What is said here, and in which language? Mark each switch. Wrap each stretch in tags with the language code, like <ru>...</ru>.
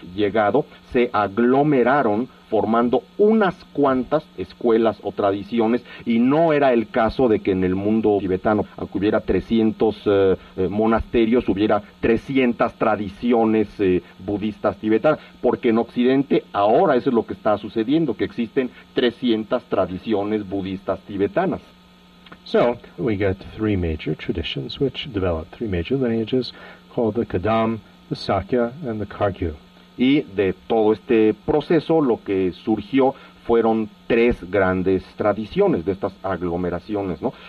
<es>llegado, se aglomeraron formando unas cuantas escuelas o tradiciones, y no era el caso de que en el mundo tibetano, aunque hubiera 300 monasterios, hubiera 300 tradiciones budistas tibetanas, porque en Occidente ahora eso es lo que está sucediendo, que existen 300 tradiciones budistas tibetanas.</es> <en>So, we get three major traditions which develop, three major lineages called the Kadam, the Sakya, and the Kagyu.</en> <es>Y de todo este proceso, lo que surgió fueron tres grandes tradiciones de estas aglomeraciones, ¿no?</es>